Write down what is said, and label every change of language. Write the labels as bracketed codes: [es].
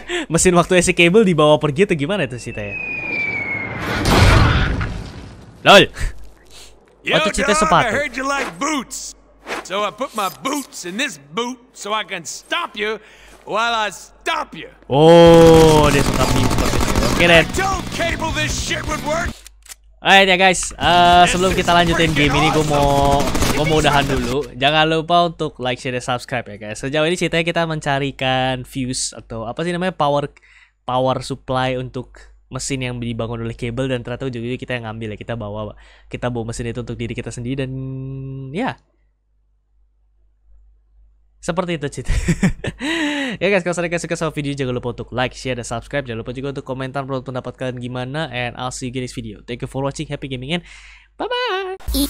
[id] Mesin waktu si Cable dibawa pergi atau gimana itu sih, Taya? [en] Lol. Yo, dog, I heard you like boots. So I put my boots in this boot so I can stomp you while I stomp you. [id] Oh, dia suka meme seperti itu. [en] Okay, then. I told Cable this shit would work. [id] Alright ya guys, sebelum kita lanjutin game ini, gue mau udahan dulu. Jangan lupa untuk like, share, dan subscribe ya guys. Sejauh ini ceritanya kita mencarikan fuse atau apa sih namanya, power supply untuk mesin yang dibangun oleh Cable, dan ternyata ujung-ujungnya kita yang ngambil ya, kita bawa mesin itu untuk diri kita sendiri, dan ya seperti itu cerita. Ya guys, kalau kalian suka sama video, jangan lupa untuk like, share, dan subscribe. Jangan lupa juga untuk komentar menurut pendapat kalian gimana. [en] And I'll see you guys next video. Thank you for watching. Happy gaming and bye-bye.